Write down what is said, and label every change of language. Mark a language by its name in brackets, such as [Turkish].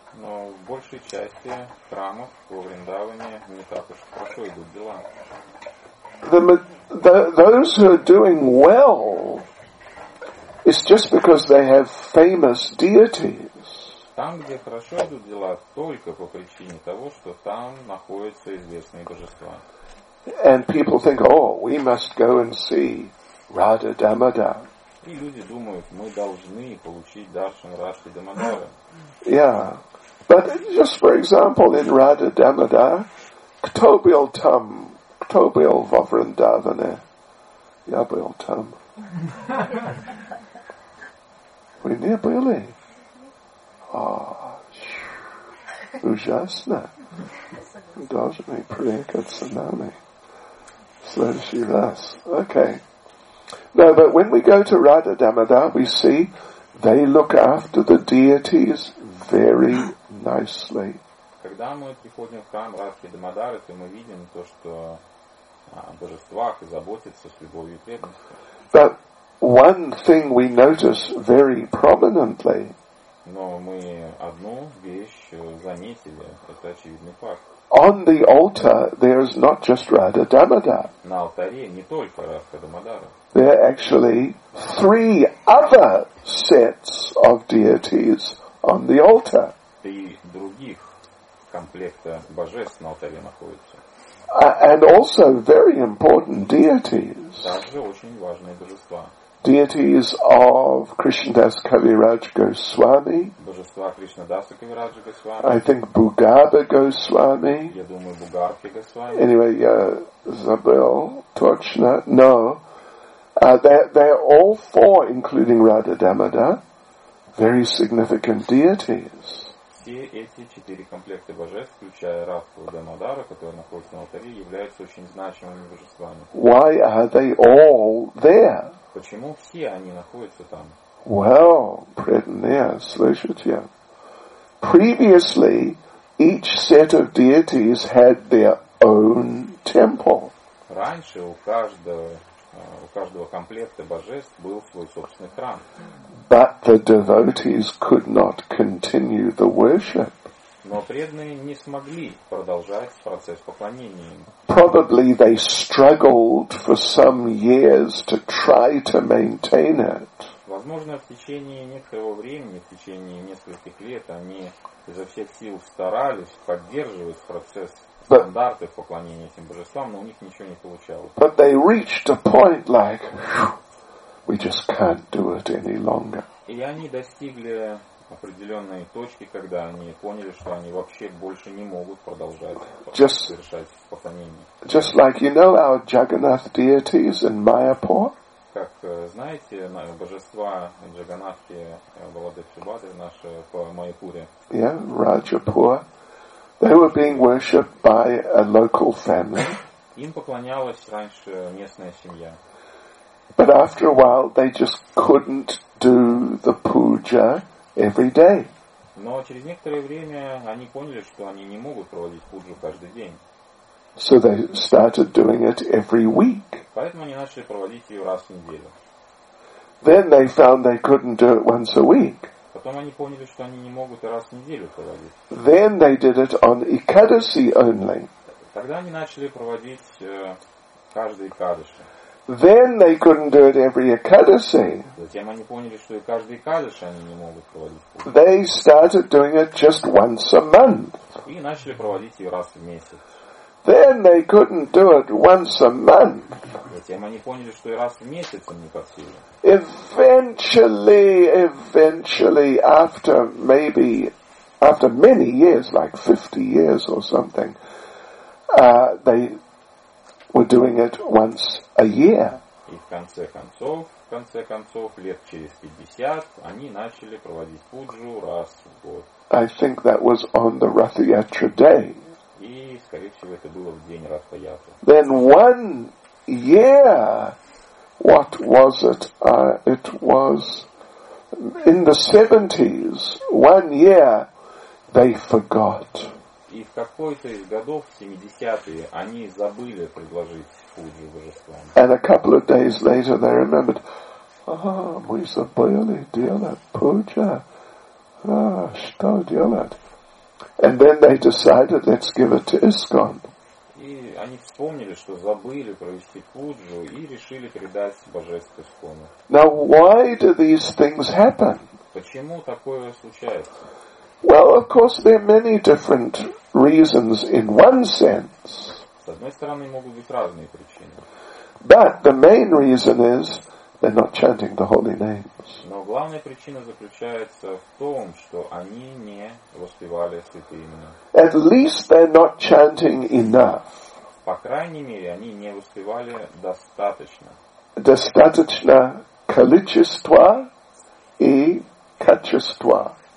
[Russian] Но в большей части храмов во Вриндаване не так уж хорошо идут дела. [English] Those who are doing well, it's just because they have famous deities. [Russian] Там, где хорошо идут дела, только по причине того, что там находятся известные божества. [English] And people think, oh, we must go and see Radha Damodar. [Russian] И люди думают, мы должны получить даршан Радхи Дамодара. [English] Yeah, but just for example, in Radha Damodar, [Russian] кто был во Вриндаване? Я был там. Вы не были? Ужасно. Должны приехать с нами. Следующий раз. Okay. [English] No, but when we go to Radha Damodar, we see they look after the deities very nicely. [Russian] Когда мы приходим в храм Радхи Дамодара, то мы видим то, что божествах и заботиться с любовью и преданностью. [English] But one thing we notice very prominently. [Russian] Но мы одну вещь заметили, это очевидный факт. [English] On the altar there is not just Radha Damodar. [Russian] На алтаре не только Радха Дамодара. [English] There are actually three other sets of deities on the altar. [Russian] Три других комплекта божеств на алтаре находятся. [English] And also very important deities. [Russian] Также очень важные божества. [English] Deities of Krishnadas Kaviraj Goswami. [Russian] Божества Кришнадаса Кавираджа Госвами. [English] I think Бугарба Госвами. [Russian] Я думаю, Бугарба Госвами. Anyway, я забыл точно. No. [English] They're all four, including Radha Damodar, very significant deities. [Russian] Все эти четыре комплекта божеств, включая Радху Дамодара, который находится на алтаре, являются очень значимыми божествами. [English] Why are they all there? [Russian] Почему все они находятся там? Well, преданные, слышите. [English] Previously, each set of deities had their own temple. [Russian] Раньше у каждого комплекта божеств был свой собственный храм. [English] But the devotees could not continue the worship. [Russian] Но преданные не смогли продолжать процесс поклонения. [English] Probably they struggled for some years to try to maintain it. [Russian] Возможно, в течение некоторого времени, в течение нескольких лет, они изо всех сил старались поддерживать процесс стандарты поклонения этим божествам, но у них ничего не получалось. [English] But they reached a point like, we just can't do it any longer. [Russian] И они достигли определенной точки, когда они поняли, что они вообще больше не могут продолжать совершать поклонение. [English] Just like you know our Jagannath deities in Mayapur. [Russian] Как знаете, божества Джаганнатхи, Баладев Субхадры, наши по Майяпуре. [English] Yeah, Rajapur. They were being worshipped by a local family. [Russian] Им поклонялась раньше местная семья. [English] But after a while, they just couldn't do the puja every day. [Russian] Но через некоторое время они поняли, что они не могут проводить пуджу каждый день. [English] So they started doing it every week. [Russian] Поэтому они начали проводить ее раз в неделю. [English] Then they found they couldn't do it once a week. [Russian] Потом они поняли, что они не могут и раз в неделю проводить. [English] Then they did it on Ekadasi only. [Russian] Тогда они начали проводить каждый Экадаши. [English] Then they couldn't do it every Ekadasi. [Russian] Затем они поняли, что и каждый Экадаши они не могут проводить. [English] They started doing it just once a month. [Russian] И начали проводить ее раз в месяц. [English] Then they couldn't do it once a month. [Russian] Затем они поняли, что и раз в месяц им не под силу. [English] Eventually, after many years, like 50 years or something, they were doing it once a year. [Russian] И в конце концов, лет через 50, они начали проводить пуджу раз в год. [English] I think that was on the Rath Yatra day. [Russian] И, скорее всего, это было в день Ратха Ятры. [English] Then one year, what was it? It was in the 70s. One year, they forgot. [Russian] И в какой-то из годов, 70-е, они забыли предложить пуджу божествам. [English] And a couple of days later, they remembered, [Russian] мы забыли делать пуджа. Что делать? [English] And then they decided, let's give it to ISKCON. [Russian] И они вспомнили, что забыли провести пуджу, и решили передать божество ИСККОНу. [English] Now, why do these things happen? [Russian] Почему такое случается? [English] Well, of course, there are many different reasons in one sense. [Russian] С одной стороны, могут быть разные причины. [English] But the main reason is, they're not chanting the holy names. [Russian] Но главная причина заключается в том, что они не воспевали святые имена. [English] At least they're not chanting enough. [Russian] По крайней мере, они не воспевали достаточно. Достаточно количества и качества.